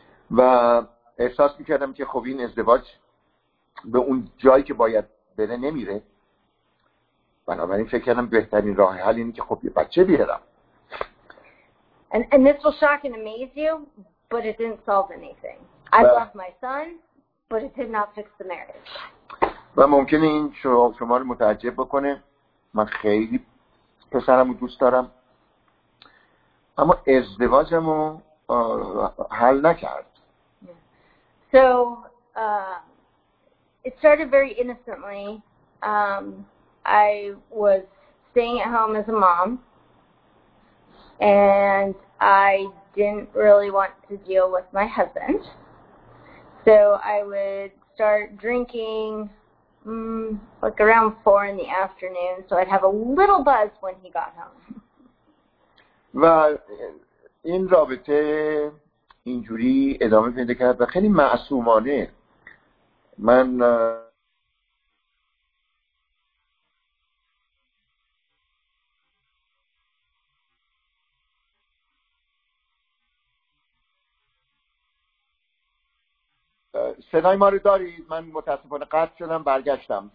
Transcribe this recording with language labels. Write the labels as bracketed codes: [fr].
[fa] و احساس می‌کردم که خب این ازدواج به اون جایی که باید بره نمیره. بنابراین فکر کردم بهترین راه حل اینه که خب یه بچه بیارم. [en] And this will shock and amaze you, but it didn't solve anything. I lost my son, but it did not fix the marriage. [fa] و ممکنه این شما رو متعجب بکنه، من خیلی پسرم رو دوست دارم، اما ازدواجم رو حل نکرد. [en] So it started very innocently. I was staying at home as a mom, and I didn't really want to deal with my husband. So I would start drinking like around 4 in the afternoon, so I'd have a little buzz when he got home. [fa] و این رابطه اینجوری ادامه پیدا کرد و خیلی معصومانه من صدای ما رو دارید؟ من متاسفانه قطع شدم، برگشتم.